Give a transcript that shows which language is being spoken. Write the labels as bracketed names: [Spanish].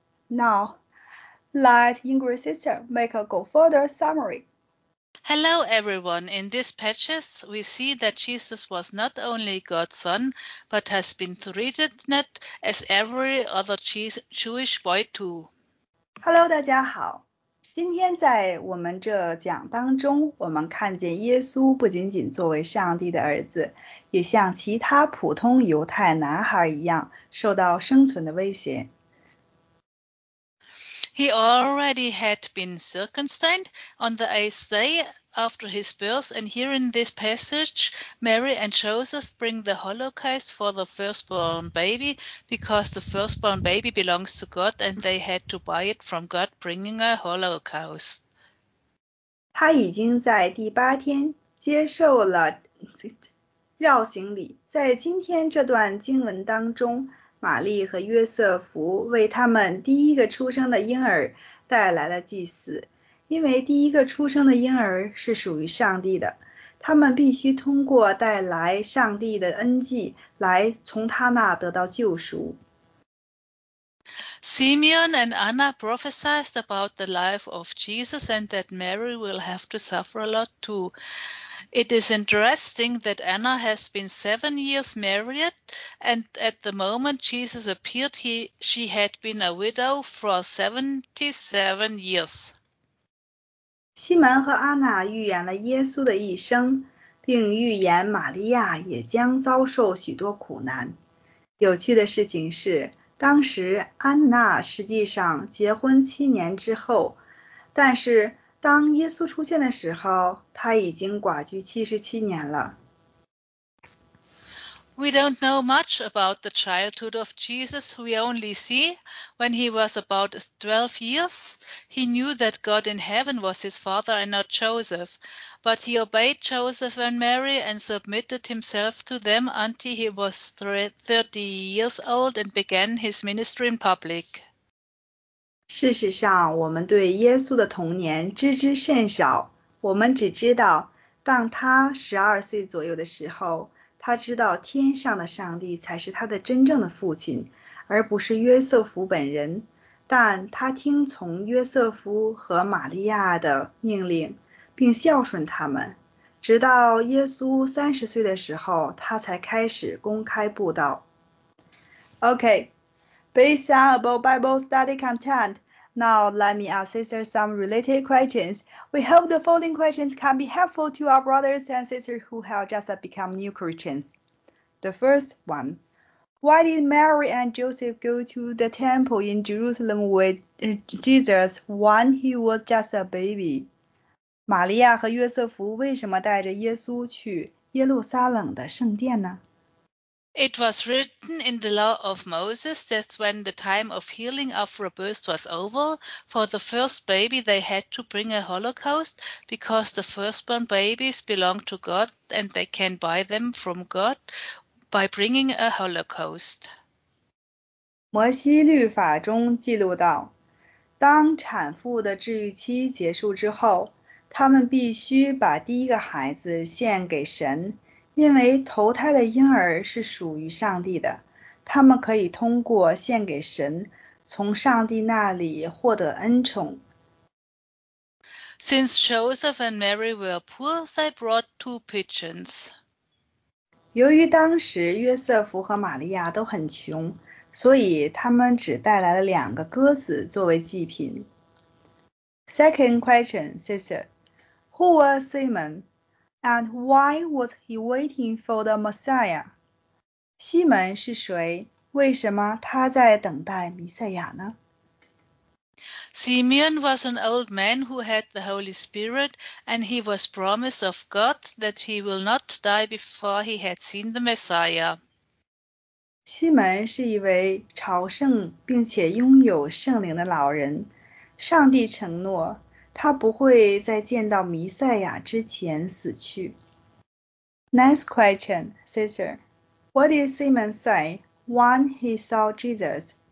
[English] Now, let Ingrid's sister make a go further summary. Hello everyone. In these patches, we see that Jesus was not only God's son, but has been treated as every other Jewish boy too. Hello, [Chinese] 大家好。今天在我们这讲当中，我们看见耶稣不仅仅作为上帝的儿子，也像其他普通犹太男孩一样受到生存的威胁。 [English] He already had been circumcised on the eighth day after his birth, and here in this passage, Mary and Joseph bring the holocaust for the firstborn baby because the firstborn baby belongs to God and they had to buy it from God bringing a holocaust. [Chinese] 他已经在第八天接受了绕行礼。在今天这段经文当中，玛丽和约瑟夫为他们第一个出生的婴儿带来了祭祀，因为第一个出生的婴儿是属于上帝的，他们必须通过带来上帝的恩祭来从他那得到救赎。 [English] Simeon and Anna prophesied about the life of Jesus and that Mary will have to suffer a lot too. It is interesting that Anna has been 7 years married, and at the moment Jesus appeared, she had been a widow for 77 years. [Chinese] 西门和安娜预言了耶稣的一生，并预言玛利亚也将遭受许多苦难。有趣的事情是，当时安娜实际上结婚七年之后，但是当耶稣出现的时候，他已经寡居77年了。 [English] We don't know much about the childhood of Jesus. We only see when he was about 12 years, he knew that God in heaven was his father and not Joseph. But he obeyed Joseph and Mary and submitted himself to them until he was 30 years old and began his ministry in public. [Chinese] 事实上，我们对耶稣的童年知之甚少。我们只知道，当他12岁左右的时候，他知道天上的上帝才是他的真正的父亲，而不是约瑟夫本人，但他听从约瑟夫和玛利亚的命令，并孝顺他们。直到耶稣30岁的时候，他才开始公开布道。 [English] Okay, based on about Bible study content, now let me answer some related questions. We hope the following questions can be helpful to our brothers and sisters who have just become new Christians. The first one, why did Mary and Joseph go to the temple in Jerusalem with Jesus when he was just a baby? [Chinese] 玛利亚和约瑟夫为什么带着耶稣去耶路撒冷的圣殿呢？ [English] It was written in the law of Moses that when the time of healing of rebirth was over, for the first baby they had to bring a holocaust because the firstborn babies belong to God and they can buy them from God by bringing a holocaust. [Chinese] 摩西律法中记录到，当产妇的治愈期结束之后，他们必须把第一个孩子献给神，因为头胎的婴儿是属于上帝的，他们可以通过献给神，从上帝那里获得恩宠。 [English] Since Joseph and Mary were poor, they brought 2 pigeons. [Chinese] 由于当时约瑟夫和玛利亚都很穷，所以他们只带来了2个鸽子作为祭品。 [English] Second question, sister. Who was Simon? And why was he waiting for the Messiah? [Chinese] 西门是谁？为什么他在等待弥赛亚呢？ [English] Simeon was an old man who had the Holy Spirit, and he was promised of God that he will not die before he had seen the Messiah. [Chinese] 西门是一位朝圣并且拥有圣灵的老人。上帝承诺他不会在见到弥赛亚之前死去。 [English] Next question, sister. What did Simon say when he saw Jesus?